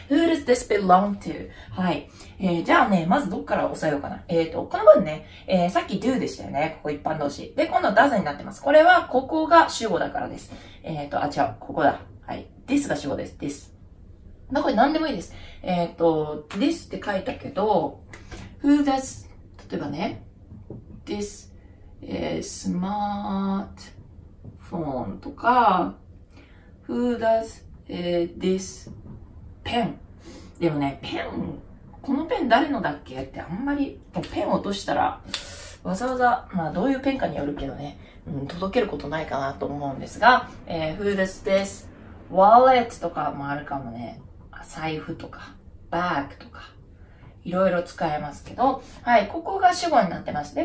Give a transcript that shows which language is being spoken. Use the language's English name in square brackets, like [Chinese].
[English] Who does this belong to? はい。 [Japanese] じゃあね、まずどっから押さえようかな。この文ね、さっき do でしたよね。ここ一般動詞。で、今度は does になってます。これは、ここが主語だからです。違う、ここだ。はい。this が主語です。this。まあ、これ何でもいいです。 this って書いたけど、who does, 例えばね、 [English] this is smart phone [Japanese] とか、 [English] Who does this pen? [Japanese] でもね、ペン、このペン誰のだっけってあんまり、ペン落としたら、わざわざ、まあどういうペンかによるけどね、うん、届けることないかなと思うんですが、 [English] Who does this wallet [Japanese] とかもあるかもね、財布とか、バッグとか、いろいろ使えますけど、はい、ここが主語になってます。